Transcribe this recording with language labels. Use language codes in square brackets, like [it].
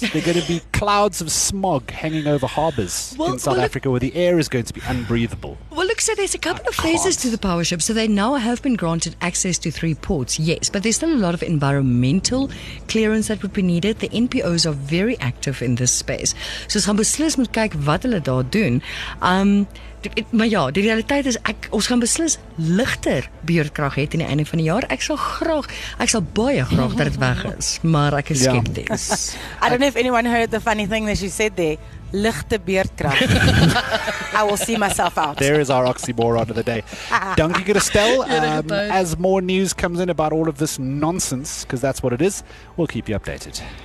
[en] They're going to be clouds of smog hanging over harbors in South Africa, where the air is going to be unbreathable. Well, look, so there's a couple of phases to the power ship. So they now have been granted access to 3 ports, yes, but there's still a lot of environmental clearance that would be needed. The NPOs are very active in this space. [af] So ons gaan beslis moet kyk wat hulle daar doen. Maar ja, die realiteit is, ons gaan beslis ligter beurtkrag het in die einde van die jaar. Ek sal baie graag dat het weg is, maar ek is skepties. [en] I don't know if anyone heard the funny thing that she said there. [af] Ligte beurtkrag. [en] I will see myself out. There is our oxymoron of the day. [af] Dankie, [en] Christelle. As more news comes in about all of this nonsense, because that's what it is, we'll keep you updated.